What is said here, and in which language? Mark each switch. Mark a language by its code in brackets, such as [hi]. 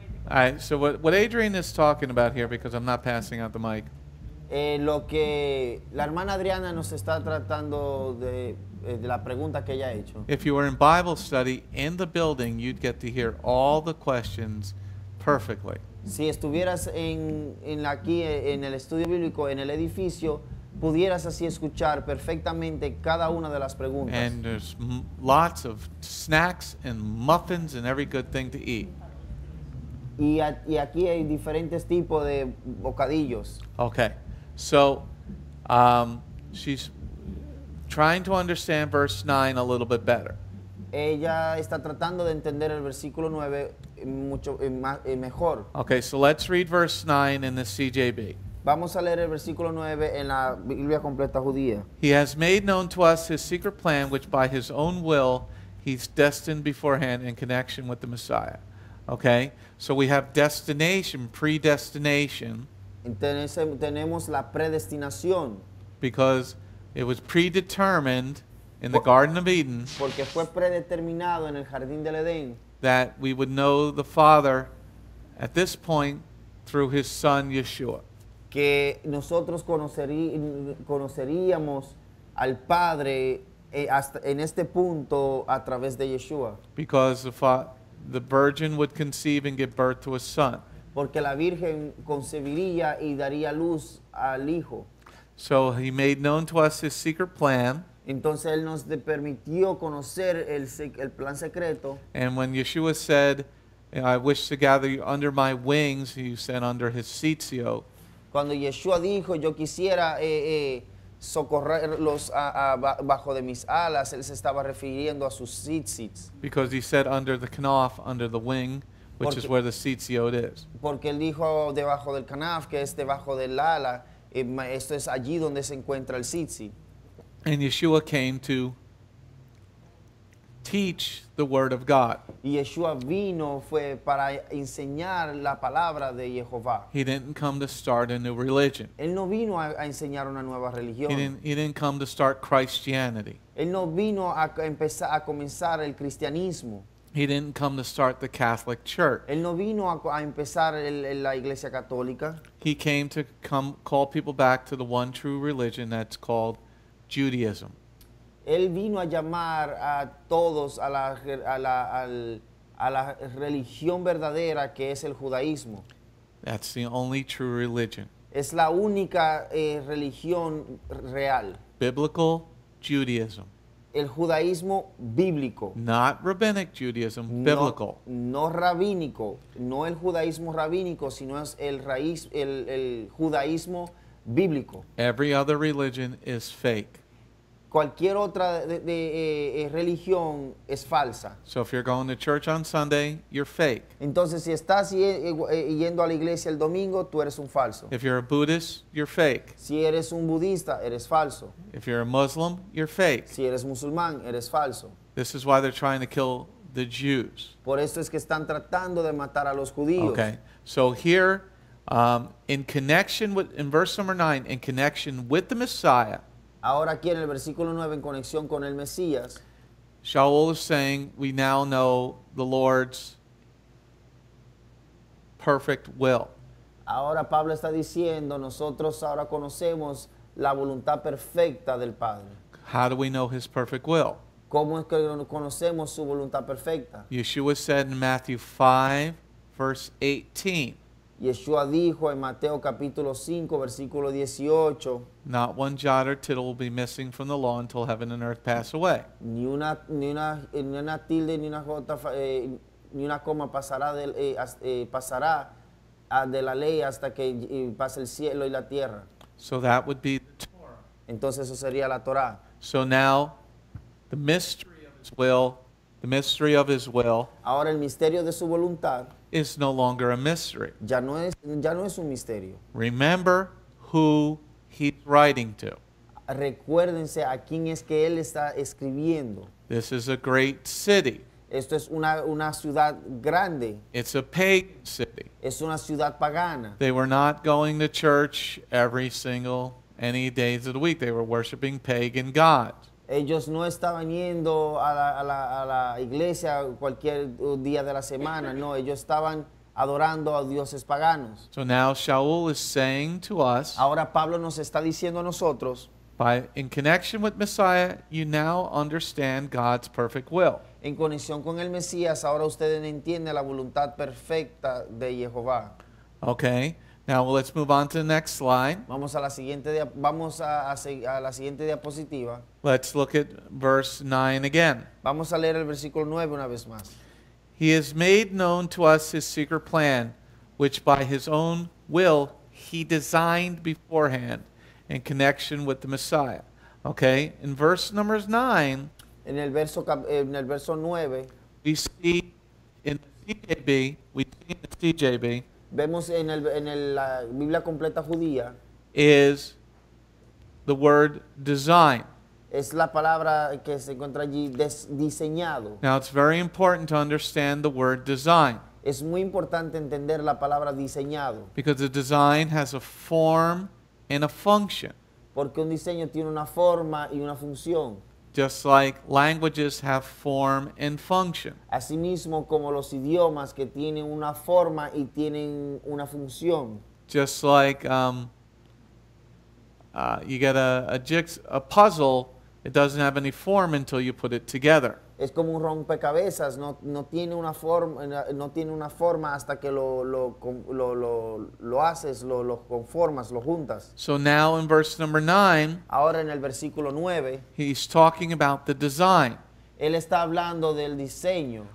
[en] All right, so what Adrian is talking about here, because I'm not passing out the mic. [es] Lo que la hermana Adriana nos está tratando de la pregunta que ella ha hecho. [en] If you were in Bible study in the building, you'd get to hear all the questions perfectly. [es] Si estuvieras aquí en el estudio bíblico, en el edificio, pudieras así escuchar perfectamente cada una de las preguntas. [en] And there's lots of snacks and muffins and every good thing to eat. [es] Y aquí hay diferentes tipos de bocadillos. [en] Okay. So, she's trying to understand verse 9 a little bit better. [es] Ella está tratando de entender el versículo 9 mucho mejor. [en] Okay, so let's read verse 9 in the CJB. [es] Vamos a leer el versículo 9 en la Biblia completa judía. [en] He has made known to us his secret plan, which by his own will he's destined beforehand in connection with the Messiah. Okay? So we have destination, predestination. [es] Tenemos la predestinación. [en] Because it was predetermined in the Garden of Eden. [es] Porque fue predeterminado en el Jardín del Edén. [en] That we would know the Father at this point through his Son Yeshua. [es] Que nosotros conoceríamos al Padre hasta en este punto a través de Yeshua. [en] Because the virgin would conceive and give birth to a son. [es] Porque la virgen concebiría y daría luz al hijo. [en] So he made known to us his secret plan. [es] Entonces él nos permitió conocer el plan secreto. [en] And when Yeshua said, "I wish to gather you under my wings," he said under his sitio. [es] Cuando Yeshua dijo, "Yo quisiera socorrerlos bajo de mis alas," él se estaba refiriendo a sus tzitzits. [en] Because he said under the kanaf, under the wing, which is where the tzitziot is. [es] Porque él dijo debajo del kanaf, que es debajo del ala, esto es allí donde se encuentra el tzitzit. [en] And Yeshua came to teach the word of God. [es] Yeshua vino fue para enseñar la palabra de Jehovah. [en] He didn't come to start a new religion. [es] Él no vino a enseñar una nueva religión. [en] He didn't come to start Christianity. [es] Él no vino a comenzar el cristianismo. [en] He didn't come to start the Catholic Church. [es] Él no vino a empezar la Iglesia Católica. [en] He came to call people back to the one true religion that's called Judaism. [es] Él vino a llamar a todos a la religión verdadera que es el judaísmo. [en] That's the only true religion. [es] Es la única religión real. [en] Biblical Judaism. [es] El judaísmo bíblico. [en] Not rabbinic Judaism, biblical. [es] No rabínico, no el judaísmo rabínico, sino es el judaísmo bíblico. [en] Every other religion is fake. [es] Cualquier otra religión es falsa. [en] So if you're going to church on Sunday, you're fake. [es] Entonces si estás yendo a la iglesia el domingo, tú eres un falso. [en] If you're a Buddhist, you're fake. [es] Si eres un budista, eres falso. [en] If you're a Muslim, you're fake. [es] Si eres musulmán, eres falso. [en] This is why they're trying to kill the Jews. [es] Por esto es que están tratando de matar a los judíos. [en] Okay. So here, in verse number 9, in connection with the Messiah. [es] Ahora aquí en el versículo 9, en conexión con el Mesías. [en] Sha’ul is saying, we now know the Lord's perfect will. [es] Ahora Pablo está diciendo, nosotros ahora conocemos la voluntad perfecta del Padre. [en] How do we know his perfect will? [es] ¿Cómo es que conocemos su voluntad perfecta? [en] Yeshua said in Matthew 5, verse 18. [es] Yeshua dijo en Mateo capítulo 5, versículo 18. [en] Not one jot or tittle will be missing from the law until heaven and earth pass away. [es] Ni una tilde ni una jota ni una coma pasará de la ley hasta que pase el cielo y la tierra. [en] So that would be the Torah. [es] Entonces eso sería la Torá. [en] So now the mystery of his will, the mystery of his will. [es] Ahora el misterio de su voluntad. [en] Is no longer a mystery. [es] Ya no es un misterio. [en] Remember who he's writing to. [es] Recuérdense a quién es que él está escribiendo. [en] This is a great city. [es] Esto es una ciudad grande. [en] It's a pagan city. [es] Es una ciudad pagana. [en] They were not going to church any days of the week. They were worshiping pagan gods. [es] Ellos no estaban yendo a la iglesia cualquier día de la semana. No, ellos estaban adorando a dioses paganos. [en] So now Sha’ul is saying to us. [es] Ahora Pablo nos está diciendo a nosotros. [en] In connection with Messiah, you now understand God's perfect will. [es] En conexión con el Mesías, ahora ustedes entienden la voluntad perfecta de Jehová. [en] Okay. Now let's move on to the next slide. [es] Vamos a la siguiente diapositiva. [en] Let's look at verse 9 again. [es] Vamos a leer el versículo 9 una vez más. [en] He has made known to us his secret plan, which by his own will he designed beforehand in connection with the Messiah. Okay? In verse number 9, [es] en el verso 9, [en] we see in the CJB, [es] Vemos en el la Biblia completa judía [en] is the word design. [es] Es la palabra que se encuentra allí diseñado. [en] Now it's very important to understand the word design. [es] Es muy importante entender la palabra diseñado. [en] Because the design has a form and a function. [es] Porque un diseño tiene una forma y una función. [en] Just like languages have form and function. [es] Asimismo como los idiomas que tienen una forma y tienen una función. [en] Just like you get a puzzle, it doesn't have any form until you put it together. [es] Es como un rompecabezas, no tiene una forma, no tiene una forma hasta que lo haces, lo conformas, lo juntas. [en] So now in verse number 9, [es] ahora en el versículo 9, [en] he's talking about the design. [es] Él está hablando del diseño.